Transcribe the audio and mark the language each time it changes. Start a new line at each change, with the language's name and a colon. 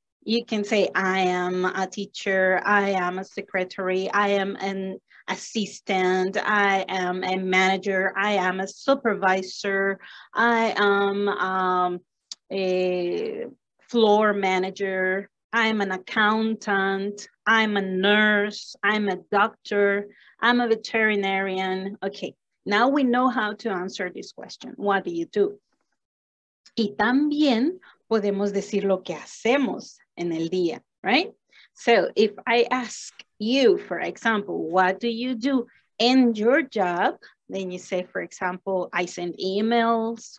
English: You can say, I am a teacher, I am a secretary, I am an assistant, I am a manager, I am a supervisor, I am a floor manager, I am an accountant, I'm a nurse, I'm a doctor, I'm a veterinarian. Okay, now we know how to answer this question. What do you do?
Spanish: Y también podemos decir lo que hacemos en el día, right?
English: So if I ask you, for example, what do you do in your job? Then you say, for example, I send emails.